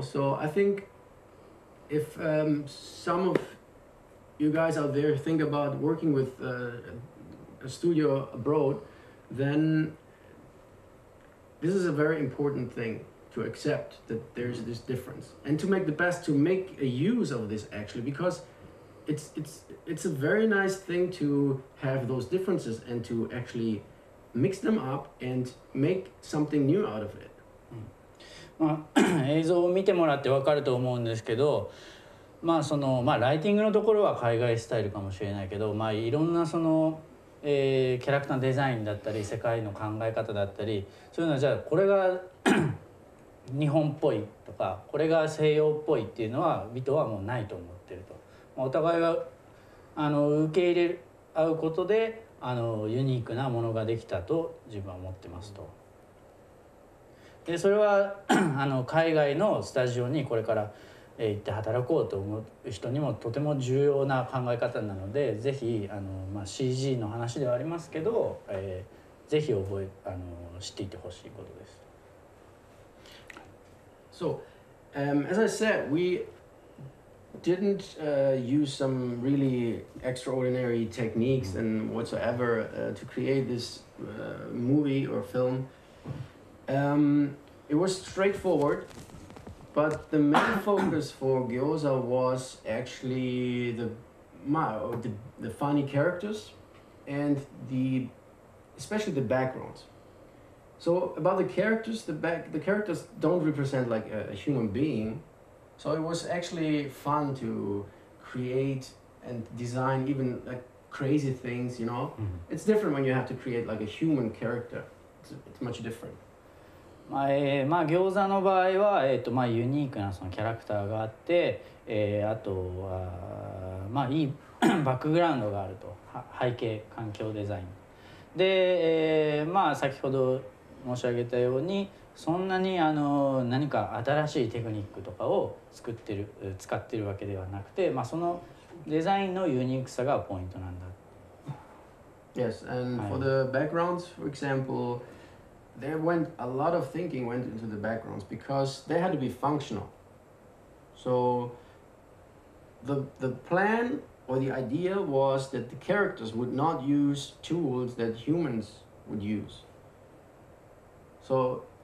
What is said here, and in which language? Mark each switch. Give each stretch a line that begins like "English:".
English: So I think if some of you guys out there think about working with a studio abroad, then this is a very important thing to accept that there's this difference and to make the best to make a use of this actually, because it's a very nice thing to have those differences and to actually,Mix them up and make something new out of it.
Japanese: まあ、映像を見てもらって分かると思うんですけど、まあそのまあ、ライティングのところは海外スタイルかもしれないけど、まあ、いろんなその、キャラクターデザインだったり世界の考え方だったりそういうのはじゃあこれが日本っぽいとかこれが西洋っぽいっていうのはビトはもうないと思ってると、まあ、お互いがあの受け入れ合うことであのユニークなものができたと自分は思ってますと。でそれはあの海外のスタジオにこれから、行って働こうと思う人にもとても重要な考え方なのでぜひあの、まあ、CG の話ではありますけど、ぜひ覚えあの知っていてほしいことです。
English: So、as I said we didn't use some really extraordinary techniques and whatsoever to create this movie or film. It was straightforward, but the main focus for Gyoza was actually the funny characters and especially the backgrounds. So about the characters, the characters don't represent like a human being. So it was actually fun to create and design even like crazy things, you know? Mm-hmm. It's different when you have to create like a human character. It's much different.
Japanese: まあ、まあ、餃子の場合は、まあ、ユニークなそのキャラクターがあって、あとは、まあ、いいバックグラウンドがあると。背景、環境デザイン。で、まあ、先ほど申し上げたように、そんなにあの何か新しいテクニックとかを作ってる使ってるわけではなくて、まあ、そのデザインのユニークさがポイントなんだ。
English: Yes, and for the backgrounds, for example, there went a lot of thinking went into the backgrounds because they had to be functional. So the plan or the idea was that the characters would not use tools that humans would use. So